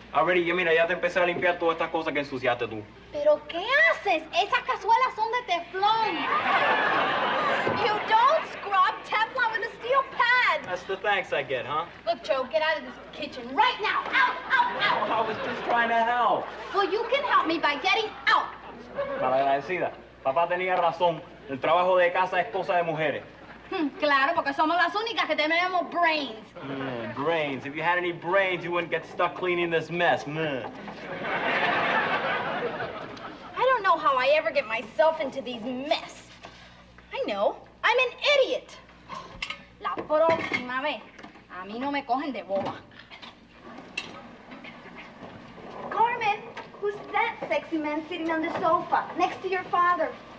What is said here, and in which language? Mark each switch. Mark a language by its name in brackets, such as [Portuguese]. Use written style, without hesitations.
[Spanish] Already, yo mira, ya te empecé a limpiar todas estas cosas que ensuciaste tú. ¿Pero qué haces? Esas cazuelas son de teflón. [English] You don't scrub teflon with a steel pad. That's the thanks I get, huh? Look, Joe, get out of this kitchen right now. Out. Well, I was just trying to help. Well, you can help me by getting out. [Spanish] Malagradecida. Papá tenía razón. El trabajo de casa es cosa de mujeres. Claro, porque somos las únicas que tenemos brains. [English] Brains. If you had any brains, you wouldn't get stuck cleaning this mess. I don't know how I ever get myself into these mess. I know. I'm an idiot. [Spanish] La próxima vez, a mí no me cogen de boba. Carmen, [English] Who's that sexy man sitting on the sofa next to your father?